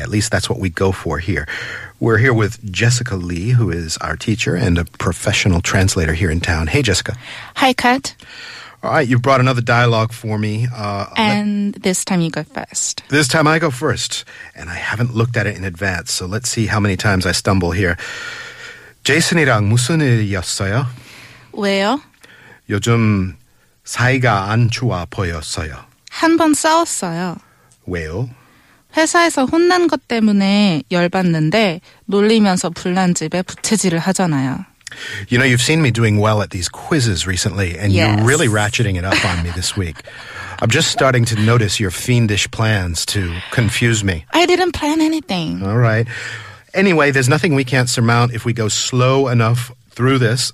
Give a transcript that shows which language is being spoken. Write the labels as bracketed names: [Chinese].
[English] At least that's what we go for here. We're here with Jessica Lee, who is our teacher and a professional translator here in town. Hey, Jessica. Hi, Kat. All right, you brought another dialogue for me. This time you go first. This time I go first, and I haven't looked at it in advance, so let's see how many times I stumble here. [Korean] Jason이랑 무슨 일이었어요? 왜요? 요즘 사이가 안 좋아 보였어요. 한 번 싸웠어요. 왜요? 회사에서 혼난 것 때문에 열받는데 놀리면서 불난 집에 부채질을 하잖아요. [English] You know, you've seen me doing well at these quizzes recently, and yes. You're really ratcheting it up on me this week. I'm just starting to notice your fiendish plans to confuse me. I didn't plan anything. All right. Anyway, there's nothing we can't surmount if we go slow enough through this.